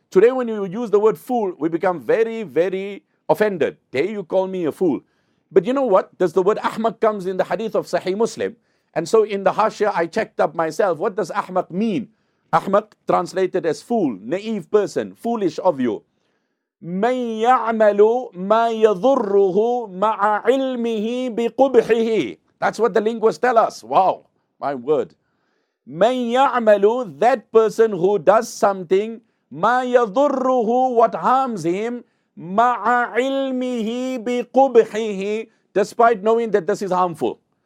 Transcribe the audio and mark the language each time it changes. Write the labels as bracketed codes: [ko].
[en] Today when you use the word fool, we become very, very offended. Dare you call me a fool. But you know what? Does the word ahmaq comes in the hadith of Sahih Muslim? And so in the Hashia, I checked up myself. What does ahmaq mean? Ahmaq translated as fool, naive person, foolish of you. [ar] من يعمل ما يضره مع علمه بقبحه. [en] That's what the linguists tell us. Wow, my word. [ar] من يعمل, [en] that person who does something, [ar] ما يضره, [en] what harms him, [ar] مع علمه بقبحه, [en] despite knowing that this is harmful.